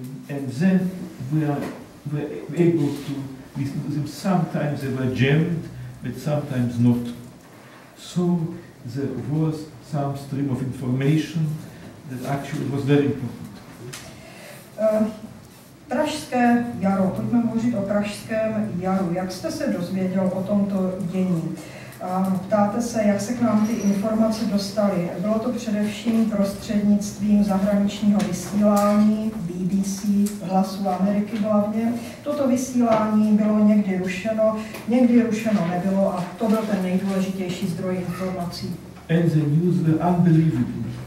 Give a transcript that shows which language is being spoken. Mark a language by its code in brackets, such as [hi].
[en] And then we were able to listen to them. Sometimes they were jammed, but sometimes not. So there was some stream of information that actually was very important. [cs] Pražské jaro, pojďme mluvit o Pražském jaru. Jak jste se dozvěděl o tomto dění? Ptáte se, jak se k nám ty informace dostaly. Bylo to především prostřednictvím zahraničního vysílání, BBC, Hlasu Ameriky hlavně. Toto vysílání bylo někdy rušeno nebylo a to byl ten nejdůležitější zdroj informací. [en] And the news were unbelievable.